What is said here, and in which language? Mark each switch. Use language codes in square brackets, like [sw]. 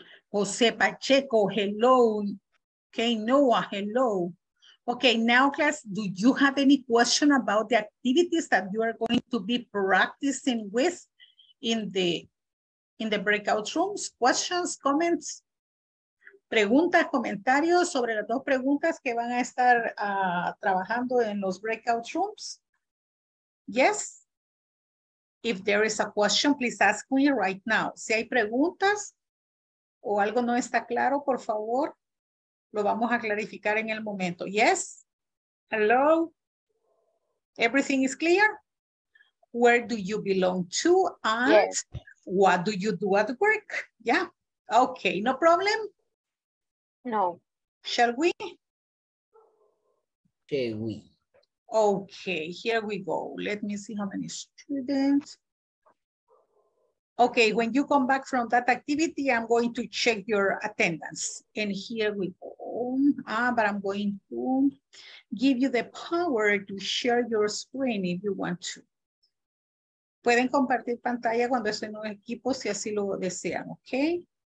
[en] Jose Pacheco, hello. Okay, Noah, hello. Okay, now class, do you have any question about the activities that you are going to be practicing with in the breakout rooms? Questions, comments? [es] Preguntas, comentarios sobre las dos preguntas que van a estar trabajando en los breakout rooms? [en] Yes? If there is a question, please ask me right now. [es] Si hay preguntas o algo no está claro, por favor, lo vamos a clarificar en el momento. [en] Yes? Hello? Everything is clear? Where do you belong to? And yes. What do you do at work? Yeah. Okay, no problem. No. Shall we? Okay, we. Okay, here we go. Let me see how many students. Okay, when you come back from that activity, I'm going to check your attendance. And here we go. But I'm going to give you the power to share your screen if you want to. [es] Pueden compartir pantalla cuando estén en equipo si así lo desean, okay?